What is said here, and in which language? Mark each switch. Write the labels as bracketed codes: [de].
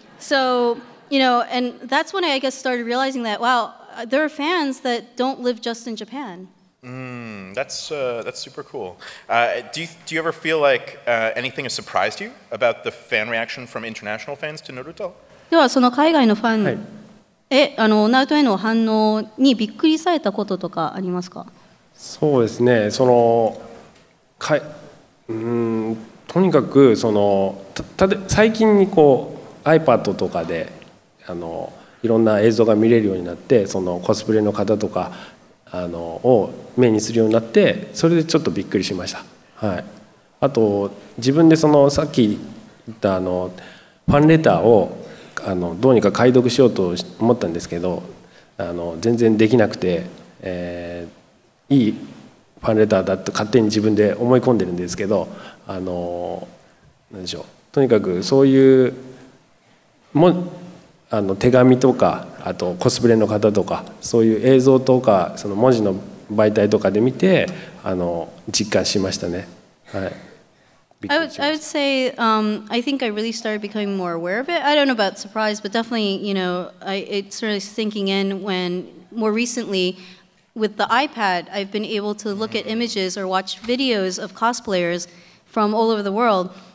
[en] So, you know, and that's when I guess started realizing that, wow, there are fans that don't live just in Japan. Mm, that's super cool. Do you ever feel like anything has surprised you about the fan reaction from international fans to Naruto? [ja] ではその海外のファンへ、あの、ナルトへの反応にびっくりされたこととかありますか？そうですね。その、とにかくその最近にこう iPad とかであのいろんな映像が見れるようになってそのコスプレの方とかあのを目にするようになってそれでちょっとびっくりしました、はい、あと自分でそのさっき言ったあのファンレターをあのどうにか解読しようと思ったんですけどあの全然できなくて、いいファンレターだって勝手に自分で思い込んでるんですけど、あの、何でしょう。とにかくそういうもあの手紙とかあとコスプレの方とかそういう映像とかその文字の媒体とかで見てあの実感しましたね。はい。 [en] I would say I think I really started becoming more aware of it. I don't know about surprise, but definitely you know it started sinking in when more recently. With the iPad, I've been able to look at images or watch videos of cosplayers from all over the world.